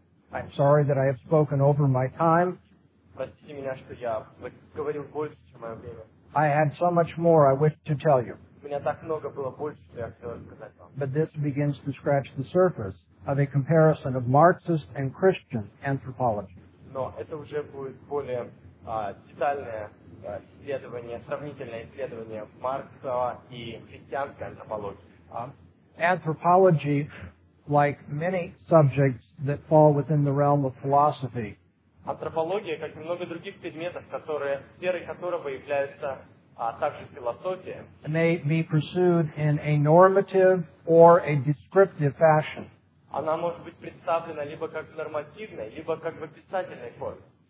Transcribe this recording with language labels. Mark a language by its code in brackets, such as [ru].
[en] I'm sorry that I have spoken over my time. [ru] Простите меня, что я говорил больше, чем мое время. [en] I had so much more I wished to tell you. [ru] У меня так много было больше, что я хотел сказать вам. [en] But this begins to scratch the surface of a comparison of Marxist and Christian anthropology. [ru] Но это уже будет более детальное исследование, сравнительное исследование Маркса и христианской антропологии. [en] Anthropology, like many subjects that fall within the realm of philosophy, [ru] антропология, как и много других предметов, которые сферой которого является также философия, [en] may be pursued in a normative or a descriptive fashion. [ru] Она может быть представлена либо как в нормативной, либо как в описательной форме.